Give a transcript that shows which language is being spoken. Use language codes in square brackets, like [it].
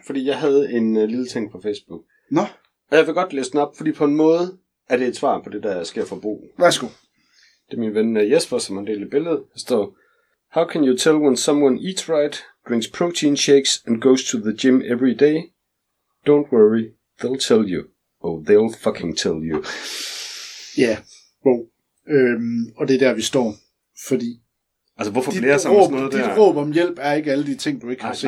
[da] Fordi jeg havde en lille ting på Facebook. Nå. Og jeg vil godt læse den op, fordi på en måde er det et svar på det, der sker for Bo. Værsgo. Det er min ven Jesper, som har delt et billede. Der står... [en] How can you tell when someone eats right, drinks protein shakes, and goes to the gym every day? Don't worry, they'll tell you. Oh, they'll fucking tell you. [da] Ja, yeah. Wow. Og det er der, vi står. Fordi... Altså, hvorfor blærer jeg sammen sådan noget der? Dit råb om hjælp er ikke alle de ting, du ikke har set.